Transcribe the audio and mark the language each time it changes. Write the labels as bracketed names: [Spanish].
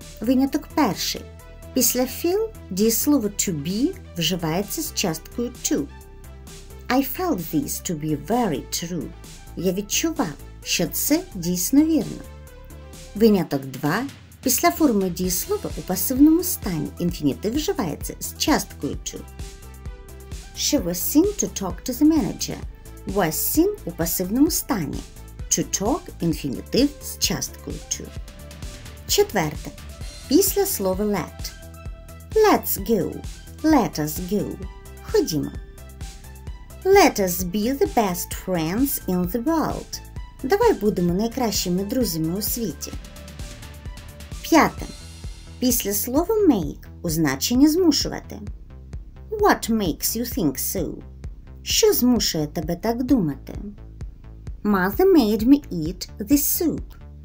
[Ukrainian] Виняток перший. Після feel дієслово to be вживається з часткою to. [English] I felt this to be very true. [Ukrainian] Я відчував, що це дійсно вірно. Виняток 2. Після форми дієслова у пасивному стані інфінітив вживається з часткою to. [English] She was seen to talk to the manager. [Ukrainian] Was seen у пасивному стані. To talk – інфінітив з часткою to. Четверте. Після слова [English] let. Let's go. Let us go. [Ukrainian] Ходімо. [English] Let us be the best friends in the world. [Ukrainian] Давай будемо найкращими друзями у світі. П'яте. Після слова make у значенні змушувати. [English] What makes you think so? [Ukrainian] Що змушує тебе так думати? [English] Mother made me eat the soup.